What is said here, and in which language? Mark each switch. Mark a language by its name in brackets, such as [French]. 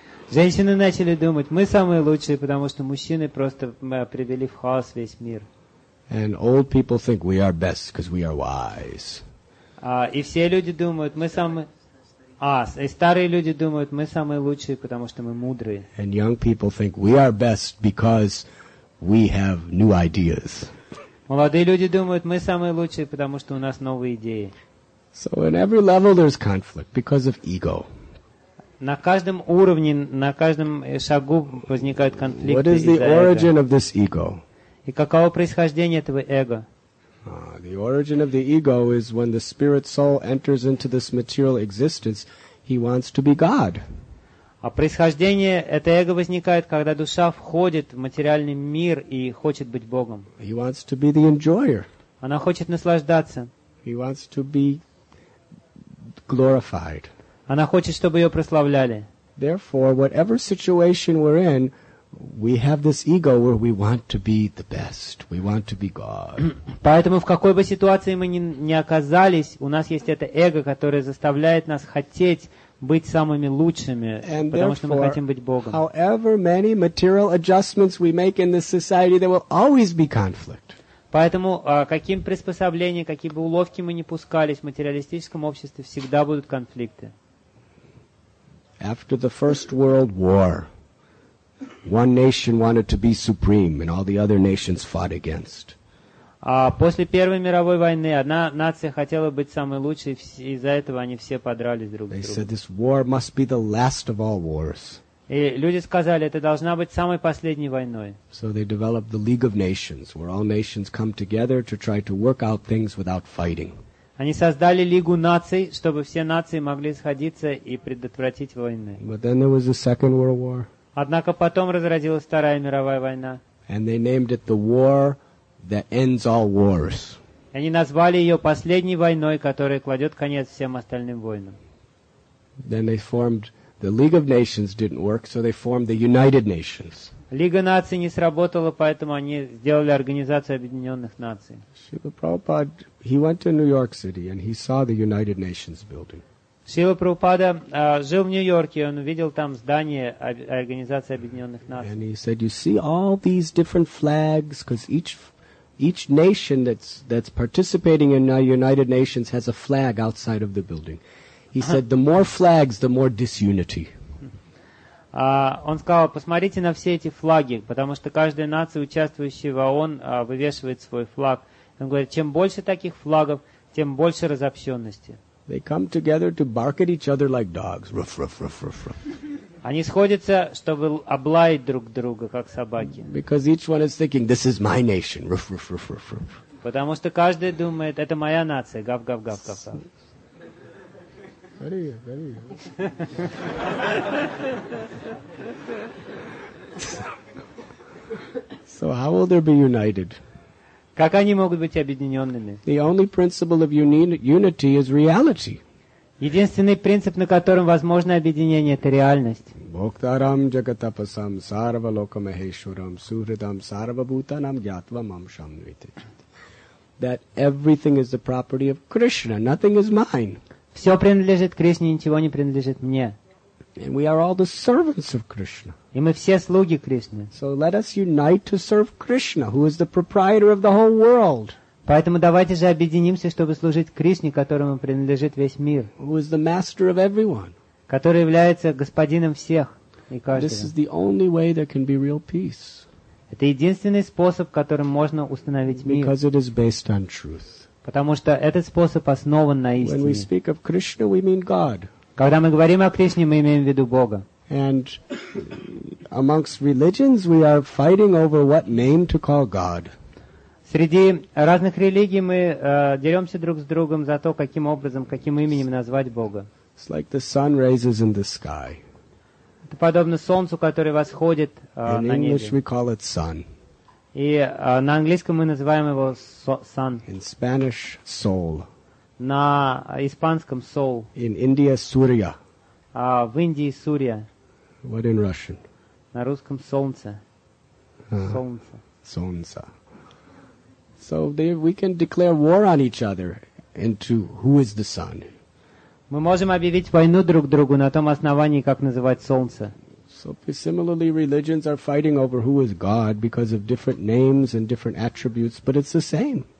[Russian] Женщины начали думать, мы самые лучшие, потому что мужчины просто привели в хаос весь мир. [English] And old people think we are best because we are wise. [Russian] И все люди думают, мы самые... И старые люди думают, мы самые лучшие, потому что мы мудрые. [English] And young people think we are best because we have new ideas. [Russian] Молодые люди думают, мы самые лучшие, потому что у нас новые идеи. [English] So in every level there's conflict because of ego. [Russian] На каждом уровне, на каждом шагу возникают конфликты. [English] What is the origin of this ego? [Russian] И каково происхождение этого эго? [English] The origin of the ego is when the spirit soul enters into this material existence, he wants to be God. [Russian] А происхождение это эго возникает, когда душа входит в материальный мир и хочет быть Богом. [English] He wants to be the enjoyer. [Russian] Она хочет наслаждаться. [English] He wants to be glorified. [Russian] Она хочет, чтобы ее прославляли. [English] Therefore, whatever situation we're in, we have this ego where we want to be the best. We want to be God. [Russian] Поэтому в какой бы ситуации мы ни оказались, у нас есть это эго, которое заставляет нас хотеть быть самыми лучшими, потому что мы хотим быть Богом. [English] However many material adjustments we make in this society, there will always be conflict. [Russian] Поэтому каким приспособлением, какие бы уловки мы ни пускались, в материалистическом обществе всегда будут конфликты. [English] After the First World War, one nation wanted to be supreme, and all the other nations fought against. [Russian] После Первой мировой войны одна нация хотела быть самой лучшей, из-за этого они все подрались друг с другом. [English] They said this war must be the last of all wars. [Russian] И люди сказали, это должна быть самой последней войной. [English] So they developed the League of Nations, where all nations come together to try to work out things without fighting. [Russian] Они создали Лигу наций, чтобы все нации могли сходиться и предотвратить войны. [English] But then there was the Second World War. [Russian] Однако потом разразилась Вторая мировая война. [English] And they named it the war that ends all wars. [Russian] Они назвали ее последней войной, которая кладет конец всем остальным войнам. [English] Then they formed the League of Nations didn't work, so they formed the United Nations. [Russian] Лига наций не сработала, поэтому они сделали Организацию Объединенных Наций. [English] Шрила Прабхупада, he went to New York City and he saw the United Nations building. [Russian] Шрила Прабхупада жил в Нью-Йорке, он увидел там здание Организации Объединенных Наций. [English] And he said, you see all these different flags, because each nation that's participating in the United Nations has a flag outside of the building. He said, the more flags, the more disunity. [Russian] Он сказал, посмотрите на все эти флаги, потому что каждая нация, участвующая в ООН, вывешивает свой флаг. Он говорит, чем больше таких флагов, тем больше разобщенности. [English] They come together to bark at each other like dogs. Ruff, ruff, ruff, ruff, ruff. [Russian] Они сходятся, чтобы облаять друг друга, как собаки. [English] Because each one is thinking, this is my nation. Ruff, ruff, ruff, ruff, ruff. [Russian] Потому что каждый думает, это моя нация. Гав, гав, гав, гав, гав. [English] Very, very. So how will there be united? [Russian] Как они могут быть объединенными? [English] The only principle of unity is reality. [Russian] Единственный принцип, на котором возможно объединение, это реальность. [Sanskrit] Бхоктарам джагатапасам сарва локамахешварам сухридам сарва бутанам гьятвам амшам нвитичит. [English] That everything is the property of Krishna, nothing is mine. [Russian] Все принадлежит Кришне, ничего не принадлежит мне. [English] And we are all the servants of Krishna. [Russian] И мы все слуги Кришны. [English] So let us unite to serve Krishna, who is the proprietor of the whole world. [Russian] Поэтому давайте же объединимся, чтобы служить Кришне, которому принадлежит весь мир. [English] Who is the master of everyone. [Russian] Который является господином всех и каждого. [English] This is the only way there can be real peace. [Russian] Это единственный способ, которым можно установить мир. [English] Because it is based on truth. [Russian] Потому что этот способ основан на истине. [English] When we speak of Krishna, we mean God. [Russian] Когда мы говорим о Кришне, мы имеем в виду Бога. [English] And amongst religions, we are fighting over what name to call God. [Russian] Среди разных религий мы деремся друг с другом за то, каким образом, каким именем назвать Бога. [English] It's like the sun rises in the sky. [Russian] Это подобно солнцу, которое восходит на небе. [English] In English, we call it sun. [Russian] И на английском мы называем его sun. [English] In Spanish, soul. [Russian] На испанском soul. [English] In India, Surya. [Russian] В Индии Сурья. [English] What in Russian? [Russian] На русском солнце. Солнце. Солнце. [English] So there we can declare war on each other into who is the sun. Мы можем объявить войну друг другу на том основании, как называть солнце. So similarly, religions are fighting over who is God because of different names and different attributes, but it's the same.